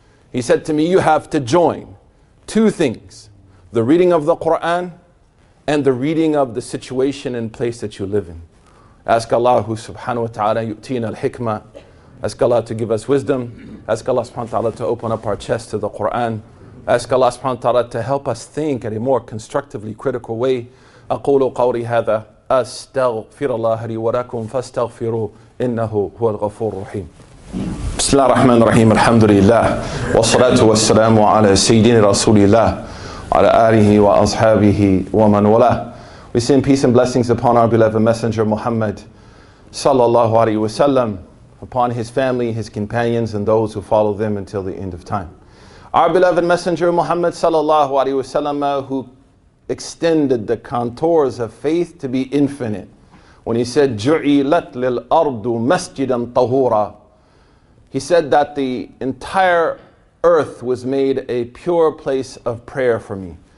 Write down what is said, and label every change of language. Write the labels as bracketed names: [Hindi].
[English] He said to me, you have to join two things, the reading of the Quran and the reading of the situation and place that you live in. Ask Allah subhanahu wa ta'ala [Arabic] yu'tina al-hikmah. [English] Ask Allah to give us wisdom. Ask Allah subhanahu wa ta'ala to open up our chest to the Quran. Ask Allah subhanahu wa ta'ala to help us think in a more constructively critical way. [Arabic] أقول قولي هذا أستغفر الله لي ولكم فاستغفروه إنه هو الغفور الرحيم. بسم الله الرحمن الرحيم. الحمد لله والصلاة والسلام على سيدنا رسول الله وعلى آله وأصحابه ومن والاه. [English] We send peace and blessings upon our beloved messenger Muhammad sallallahu alayhi wa sallam, upon his family, his companions, and those who follow them until the end of time. Our beloved messenger Muhammad sallallahu alayhi wa sallam, who extended the contours of faith to be infinite, when he said, [Arabic] جُعِلَتْ لِلْأَرْضُ مَسْجِدًا طَهُورًا, [English] he said that the entire earth was made a pure place of prayer for me.